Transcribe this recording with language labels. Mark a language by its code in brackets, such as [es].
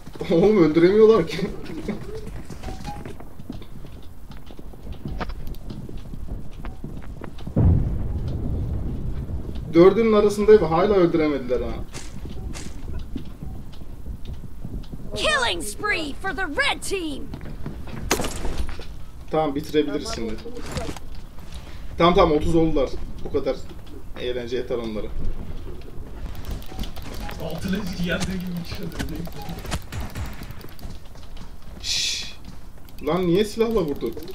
[tr] Oğlum öldüremiyorlar ki. Dördünün arasındayım hala öldüremediler ha. [en] Killing spree for the red team. [tr] Tamam bitirebiliriz şimdi. Tamam tamam 30 oldular. Bu kadar eğlence yeter onlara. Altılı çizgi yandığı gibi çıkıyor. Şşş. Lan niye silahla vurdun?